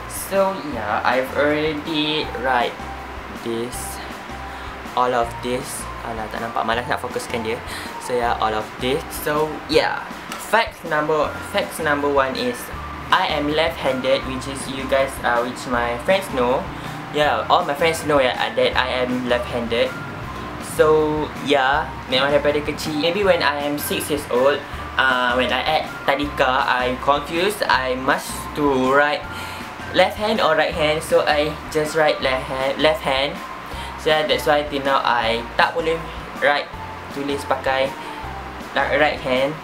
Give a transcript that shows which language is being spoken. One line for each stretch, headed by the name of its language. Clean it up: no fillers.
English: So yeah, I've already write this, all of this.
Malay: Alah, tak nampak, malas nak fokuskan dia.
English: So yeah, all of this. So yeah, facts number one is I am left-handed, which is you guys, which my friends know. Yeah, all my friends know yeah that I am left-handed. So yeah,
Malay: memang daripada kecil.
English: Maybe when I am 6 years old, when I at tadika, I'm confused. I must to write left hand or right hand. So I just write left hand. So yeah, that's why till now I
Malay: tak boleh
English: write
Malay: tulis pakai
English: right hand.